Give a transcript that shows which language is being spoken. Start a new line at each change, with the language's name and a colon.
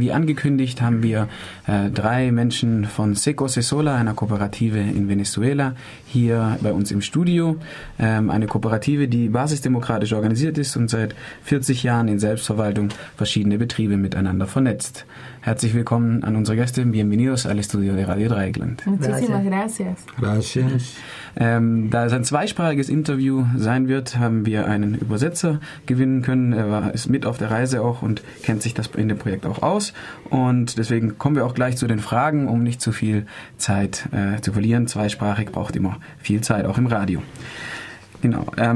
German: Wie angekündigt haben wir drei Menschen von Seco Sesola, einer Kooperative in Venezuela, hier bei uns im Studio. Eine Kooperative, die basisdemokratisch organisiert ist und seit 40 Jahren in Selbstverwaltung verschiedene Betriebe miteinander vernetzt. Herzlich willkommen an unsere Gäste.
Spanish: Bienvenidos al estudio de Radio Dreieckland. Muchísimas gracias. Gracias.
German: Da es ein zweisprachiges Interview sein wird, haben wir einen Übersetzer gewinnen können. Er ist mit auf der Reise auch und kennt sich das in dem Projekt auch aus. Und deswegen kommen wir auch gleich zu den Fragen, um nicht zu viel Zeit zu verlieren. Zweisprachig braucht immer viel Zeit, auch im Radio. Genau.